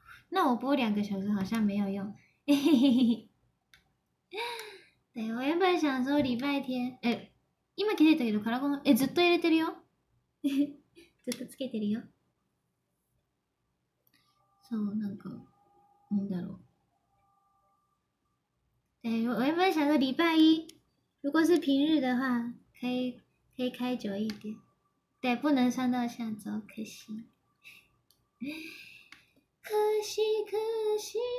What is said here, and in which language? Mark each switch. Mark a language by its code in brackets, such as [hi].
[zh] 那我播两个小时好像没有用。对，我原本想说礼拜天，哎， [ja] 今気づいたけどカラコン，哎，ずっと入れてるよ。ずっとつけてるよ。そう、なんか、なんだろう。 [zh] 对，我原本想说礼拜一，如果是平日的话，可以开久一点。对，不能上到下周，可惜，可惜，可惜。